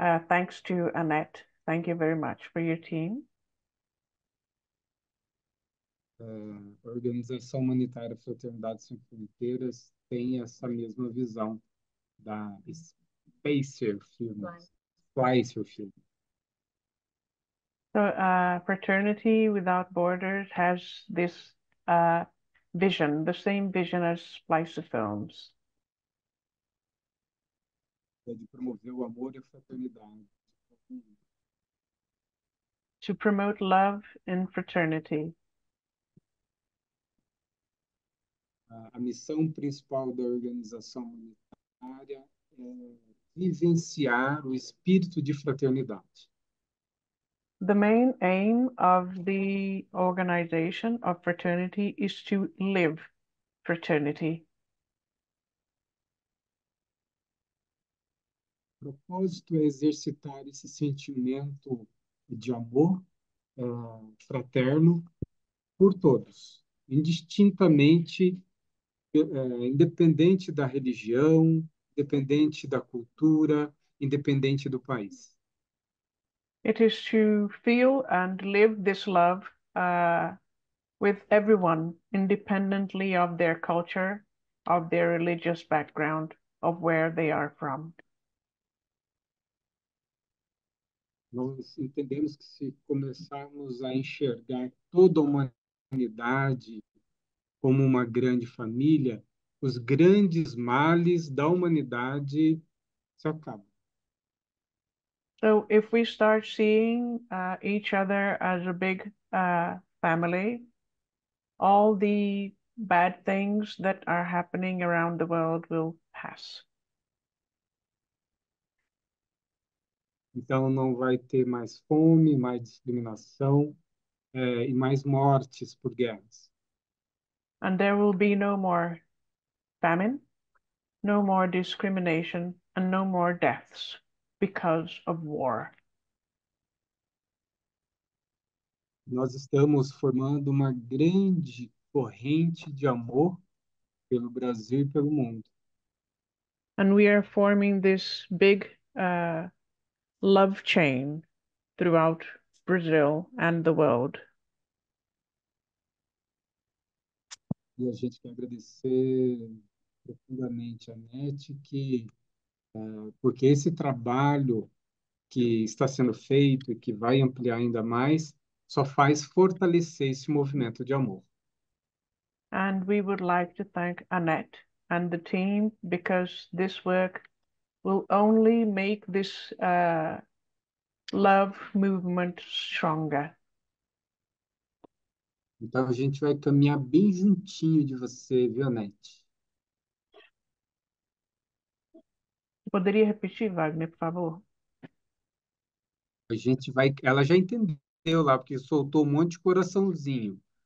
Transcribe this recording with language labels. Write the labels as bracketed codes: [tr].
[en] Thanks to Annette. Thank you very much for your team. [pt] Organização Humanitária Fraternidade Sem Fronteiras tem essa mesma visão da Spacer Film. Spacer Film. [en] So, Fraternity Without Borders has this vision, the same vision as Splicer Films. [pt] É de promover o amor e a fraternidade. [en] To promote love and fraternity. [pt] A missão principal da organização humanitária é vivenciar o espírito de fraternidade. [en] The main aim of the organization of fraternity is to live fraternity. [pt] O propósito é exercitar esse sentimento de amor fraterno por todos, indistintamente, independente da religião, independente da cultura, independente do país. [en] It is to feel and live this love with everyone, independently of their culture, of their religious background, of where they are from. [pt] Nós entendemos que se começarmos a enxergar toda a humanidade como uma grande família, os grandes males da humanidade se acabam. [en] So if we start seeing each other as a big family, all the bad things that are happening around the world will pass. [pt] Então não vai ter mais fome, mais discriminação e mais mortes por guerras. [en] And there will be no more famine, no more discrimination, and no more deaths. Because of war. [pt] Nós estamos formando uma grande corrente de amor pelo Brasil e pelo mundo. [en] And we are forming this big love chain throughout Brazil and the world. [pt] E a gente quer agradecer profundamente a NET que porque esse trabalho que está sendo feito e que vai ampliar ainda mais só faz fortalecer esse movimento de amor. [en] And we would like to thank Annette and the team because this work will only make this love movement stronger. [pt] Então a gente vai caminhar bem juntinho de você, viu, Annette? Poderia repetir, Wagner, por favor? A gente vai. Ela já entendeu lá, porque soltou um monte de coraçãozinho.